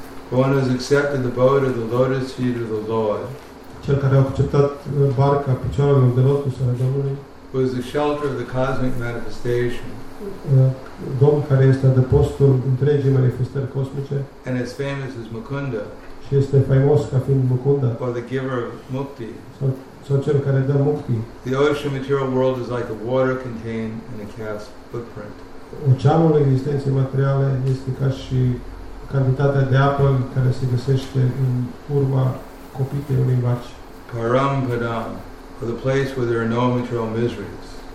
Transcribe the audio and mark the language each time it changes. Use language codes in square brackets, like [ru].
[en] One has accepted the boat of the lotus feet of the Lord. [ro] Cel care a acceptat barca picioarelor de lotus ale Domnului. [en] Who is the shelter of the cosmic manifestation. [ro] Domn care este adăpostul întregii manifestări cosmice. [en] And is famous as Mukunda. [ro] Și este faimos ca fiind Mukunda. [en] Or the giver of Mukti. [ro] Sau cel care dă Mukti. [en] The ocean material world is like the water contained in a cat's footprint. [ro] Oceanul existenței materiale este ca și cantitatea de apă care se găsește în urma copite unei vaci. [en] Param padam, or the place where there are no material miseries.